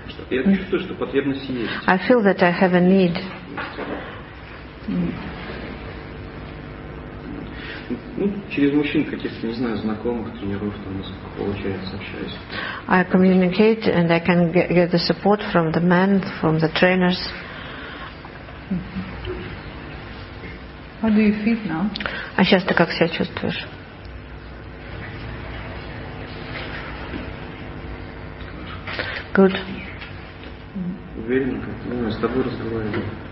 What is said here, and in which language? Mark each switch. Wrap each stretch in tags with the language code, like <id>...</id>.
<ru>Я чувствую, что потребность есть.</ru> <en>I feel that I have a need.</en> <ru>Ну, через мужчин каких-то, не знаю, знакомых, тренеров, там, получается, общаюсь.</ru> <en>I communicate and I can get the support from the men, from the trainers. How do you feel now?</en> <ru>А сейчас ты как себя чувствуешь?</ru> <en>Good.</en> <ru>Уверен, как, ну, я с тобой разговариваю.</ru>